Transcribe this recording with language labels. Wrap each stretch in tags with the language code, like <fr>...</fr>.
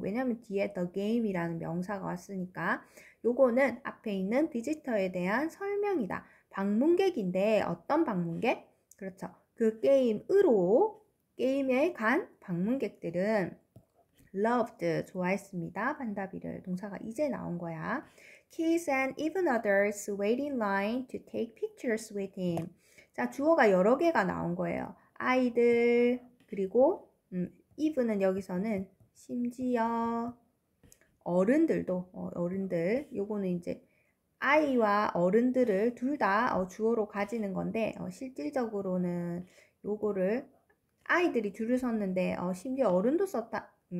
<ko>왜냐면 뒤에 the game이라는 명사가 왔으니까 요거는 앞에 있는 비지터에 대한 설명이다. 방문객인데 어떤 방문객? 그렇죠. 그 게임으로 게임에 간 방문객들은 loved 좋아했습니다. 반다비를 동사가 이제 나온 거야.</ko> <en>Kids and even others waiting line to take pictures with him.</en> <ko>자, 주어가 여러 개가 나온 거예요. 아이들, 그리고 even은 여기서는 심지어 어른들, 요거는 이제 아이와 어른들을 둘다 주어로 가지는 건데 실질적으로는 요거를 아이들이 줄을 섰는데 심지어 어른도 썼다.</ko>